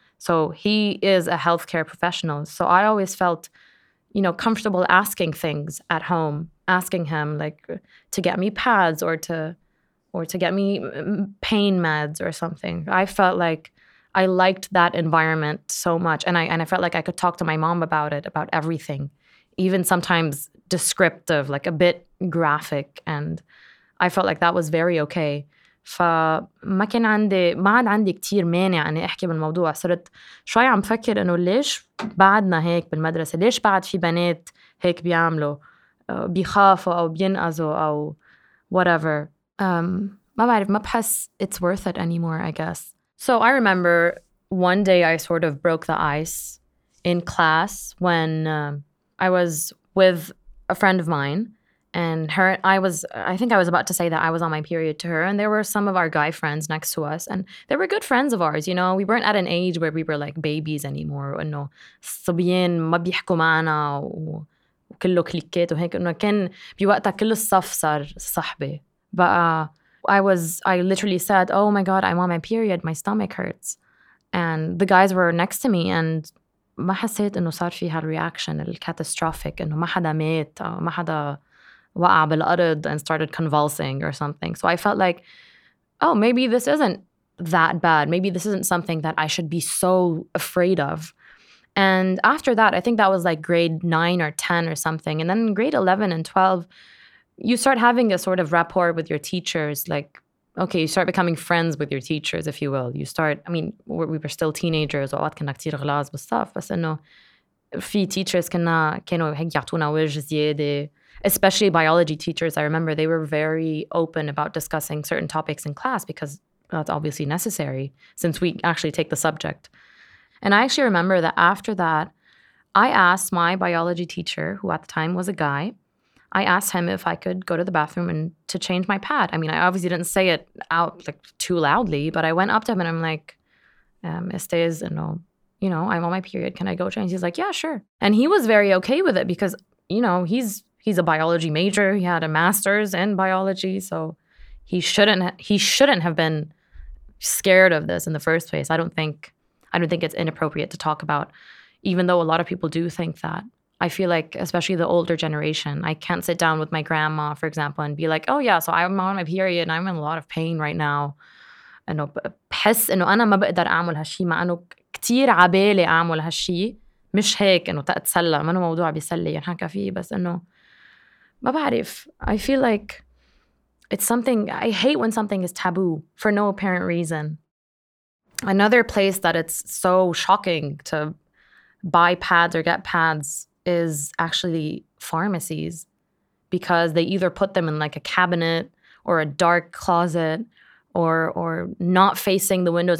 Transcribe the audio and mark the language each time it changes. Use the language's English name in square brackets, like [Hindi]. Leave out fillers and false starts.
[English] So he is a healthcare professional. So I always felt, you know, comfortable asking things at home, asking him like to get me pads or to get me pain meds or something. I felt like I liked that environment so much. And I felt like I could talk to my mom about it, about everything, even sometimes descriptive, like a bit graphic. And I felt like that was very okay. [Arabic] فما كان عندي ما عاد عندي كتير مانع أني أحكي بالموضوع. صرت شوي عم فكر أنه ليش بعدنا هيك بالمدرسة, ليش بعد في بنات هيك بيعملوا بيخافوا أو بينقذوا أو whatever. ما بعرف, ما بحس [English] it's worth it anymore, I guess. So I remember one day I sort of broke the ice in class when I was with a friend of mine. And her, I was on my period to her. And there were some of our guy friends next to us. And they were good friends of ours, you know. We weren't at an age where we were like babies anymore. And no, [Arabic] الصبيين ما بيحكوا معنا وكله كليكيت وهيك. إنه كان بوقتها كل الصف صار صحبي. [English] But I literally said, oh my God, I'm on my period. My stomach hurts. And the guys were next to me and [Arabic] ما حسيت إنه صار في هالرياكشن الكاتاستروفيك إنه ما حدا مات أو ما حدا وقع بالأرض [English] and started convulsing or something. So I felt like, oh, maybe this isn't that bad. Maybe this isn't something that I should be so afraid of. And after that, I think that was like grade 9 or 10 or something. And then grade 11 and 12, you start having a sort of rapport with your teachers. Like, okay, you start becoming friends with your teachers, if you will. You start, I mean, we were still teenagers. [Arabic] وقت كنا كتير غلاز بالصف. بس إنه في teachers كانوا هيك يعطونا وجه زيادة. [English] Especially biology teachers, I remember they were very open about discussing certain topics in class because that's obviously necessary since we actually take the subject. And I actually remember that after that, I asked my biology teacher, who at the time was a guy, I asked him if I could go to the bathroom and to change my pad. I mean, I obviously didn't say it out like too loudly, but I went up to him and I'm like, Estes, you know, I'm on my period. Can I go change? He's like, yeah, sure. And he was very okay with it because, you know, he's a biology major. He had a master's in biology, so he shouldn't have been scared of this in the first place. I don't think it's inappropriate to talk about, even though a lot of people do think that. I feel like, especially the older generation, I can't sit down with my grandma, for example, and be like, oh yeah, so I'm on my period and I'm in a lot of pain right now. I know, [Arabic] بحس إنه أنا ما بقدر أعمل هالشي مع إنه كتير عبالي أعمل هالشي مش هيك إنه تتسلى ما إنه موضوع بيسلي ينحكى فيه بس إنه ما بعرف. [English] I feel like it's something, I hate when something is taboo for no apparent reason. Another place that it's so shocking to buy pads or get pads is actually pharmacies, because they either put them in like a cabinet or a dark closet or not facing the windows.